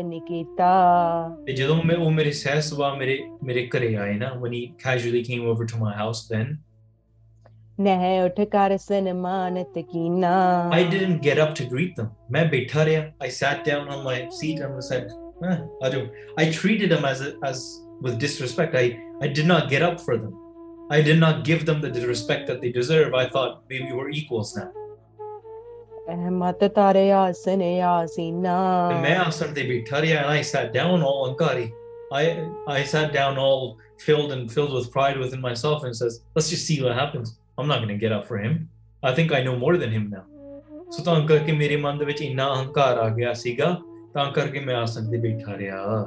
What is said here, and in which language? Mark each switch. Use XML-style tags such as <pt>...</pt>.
<pa>ਨਿਕੀਤਾ ਤੇ ਜਦੋਂ ਮੈਂ ਉਹ ਮੇਰੇ ਸਹਿ ਸੁਭਾਵ ਮੇਰੇ ਮੇਰੇ ਘਰੇ ਆਏ ਨਾ</pa> <en>when he casually came over to my house then</en> <pa>ਨਹਿ ਉਠ ਕਰ ਸਨਮਾਨਿਤ ਕੀਨਾ</pa> <en>I didn't get up to greet them</en> <pa>ਮੈਂ ਬੈਠਾ ਰਿਹਾ</pa> <en>I sat down on my seat and was like ਅਜੋ I treated them as with disrespect I did not get up for them I did not give them the disrespect that they deserve I thought maybe we're equals now</en> <pa>ਮਤ ਤਾਰੇ ਆਸਨ ਆਸੀਨਾ ਮੈਂ ਆਸਨ ਤੇ ਬੈਠਾ ਰਿਹਾ</pa> <en>and I sat down all ਅੰਕਾਰੀ I sat down all filled and filled with pride with in myself and says let's just see what happens I'm not going to get up for him I think I know more than him now so</en> <pa>ਤਾਂ ਕਰਕੇ ਮੇਰੇ ਮਨ ਦੇ ਵਿੱਚ ਇੰਨਾ ਅਹੰਕਾਰ ਆ ਗਿਆ ਸੀਗਾ ਤਾਂ ਕਰਕੇ ਮੈਂ ਆਸਨ ਤੇ ਬੈਠਾ ਰਿਹਾ</pa>